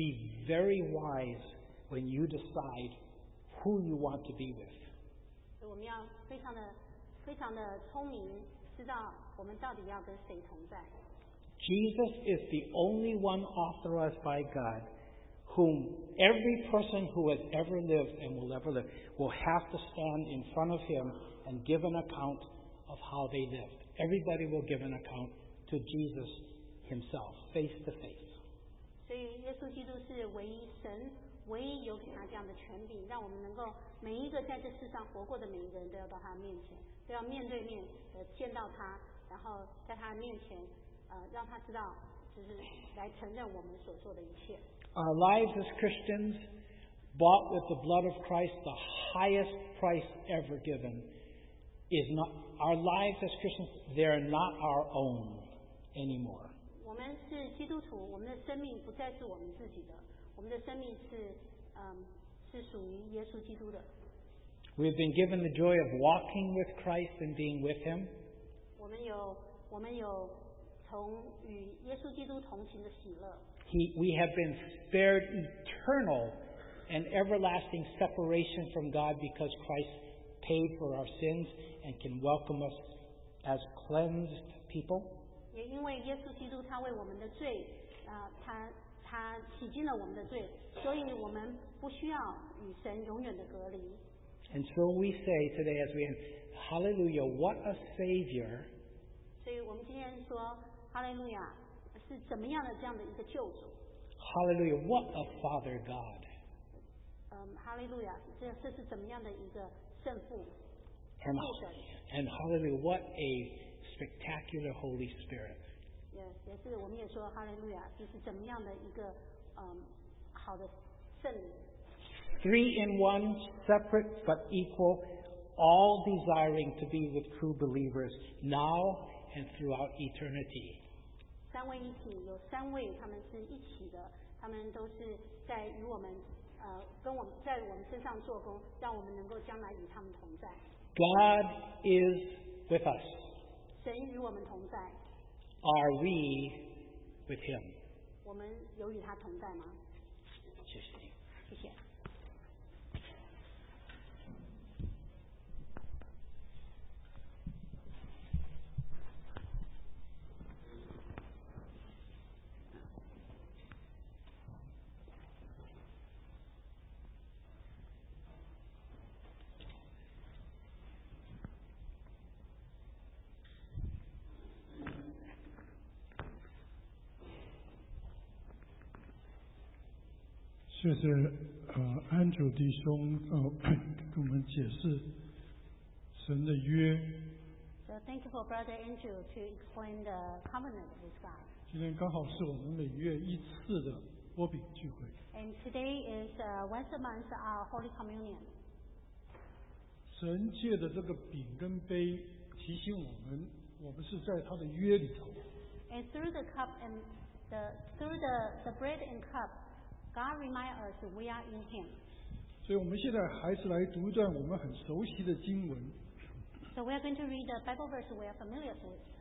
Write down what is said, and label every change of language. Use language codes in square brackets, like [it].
[en] Be very wise when you decide who you want to be with. [zh] 我们要非常的非常的聪明，知道我们到底要跟谁同在。 [en] Jesus is the only one authorized by God whom every person who has ever lived and will ever live will have to stand in front of him and give an account of how they lived. Everybody will give an account to Jesus himself, face to face. [zh] 所以耶稣基督是唯一神，唯一有给他这样的权柄，让我们能够每一个在这世上活过的每一个人都要到他面前，都要面对面的见到他，然后在他面前让他知道，就是来承认我们所做的一切。 [en] Our lives as Christians, bought with the blood of Christ, the highest price ever given, is not our lives as Christians. They are not our own anymore. [zh] 我们是基督徒，我们的生命不再是我们自己的，我们的生命是是属于耶稣基督的。 [en] We have been given the joy of walking with Christ and being with Him. [zh] 我们有从与耶稣基督同行的喜乐。 [en] We have been spared eternal and everlasting separation from God because Christ paid for our sins and can welcome us as cleansed people. [zh] 也因为耶稣基督他为我们的罪，他洗净了我们的罪，所以我们不需要与神永远的隔离。 [en] And so we say today as we end, Hallelujah, what a Savior. [zh] 所以我们今天说哈利路亚。是怎么样的这样的一个救主？ [en] Hallelujah, what a Father God. [zh] Hallelujah, 这是怎么样的一个圣父？ [en] And Hallelujah, what a spectacular Holy Spirit. [zh] Yes, 也是我们也说 Hallelujah, 这是怎么样的一个好的圣灵？ [en] Three in one, separate but equal, all desiring to be with true believers now and throughout eternity. [zh] 三位一体，有三位，他们是一起的，他们都是在与我们，跟我们在我们身上做工，让我们能够将来与他们同在。 [en] God is with us. [zh] 神与我们同在。 [en] Are we with Him? [zh] 我们有与他同在吗？谢谢你。谢谢。谢谢安主弟兄给我们解释神的约。 [en] So thank you for Brother Andrew to explain the covenant with God. [zh] 今天刚好是我们每月一次的波饼聚会。 [en] And today is once a month our Holy Communion. [zh] 神借的这个饼跟杯提醒我们，我们是在他的约里头。 [en] And through the cup and the bread and cup. God remind us we are in Him. [zh] 所以我们现在还是来读一段我们很熟悉的经文。 [en] So we are going to read the Bible verse we are familiar with.